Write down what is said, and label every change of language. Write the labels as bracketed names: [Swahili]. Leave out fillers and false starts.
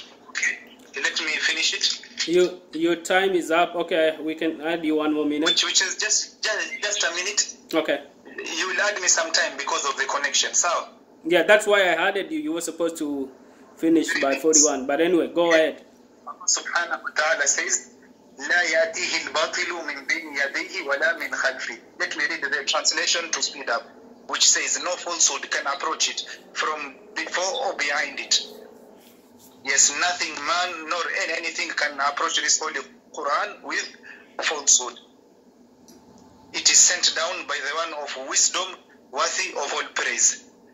[English] Okay. Let me finish it. Your time is up. Okay, we can add you one more minute. Which is just a minute. Okay. You will add me some time because of the connection. So. Yeah, that's why I added you. You were supposed to finish by 41. But anyway, go ahead. [Arabic] Subhanahu wa ta'ala says, لا يأتيه الباطل من بين يديه ولا من خلفه. [English] Let me read the translation to speed up, which says, no falsehood can approach it from before or behind it. Yes, nothing, man, nor anything can approach this Holy Quran with falsehood. It is sent down by the one of wisdom, worthy of all praise.